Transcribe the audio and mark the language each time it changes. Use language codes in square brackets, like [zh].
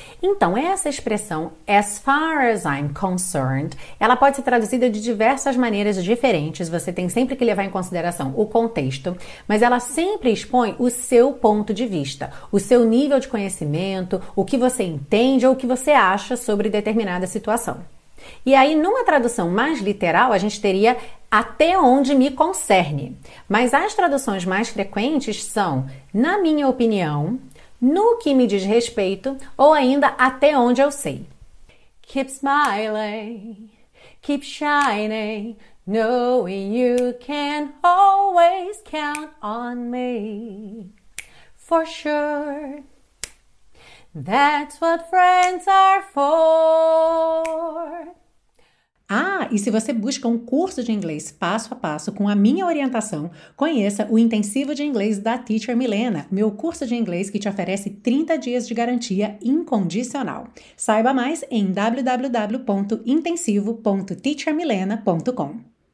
[pt] Então, essa expressão "as far as I'm concerned", ela pode ser traduzida de diversas maneiras diferentes, você tem sempre que levar em consideração o contexto, mas ela sempre expõe o seu ponto de vista, o seu nível de conhecimento, o que você entende ou o que você acha sobre determinada situação. E aí, numa tradução mais literal, a gente teria "até onde me concerne". Mas as traduções mais frequentes são "na minha opinião", "no que me diz respeito" ou ainda "até onde eu sei". [en] Keep smiling, keep shining, knowing you can always count on me, for sure. That's what friends are for. [pt] Ah, e se você busca um curso de inglês passo a passo com a minha orientação, conheça o Intensivo de Inglês da Teacher Milena, meu curso de inglês que te oferece 30 dias de garantia incondicional. Saiba mais em www.intensivo.teachermilena.com.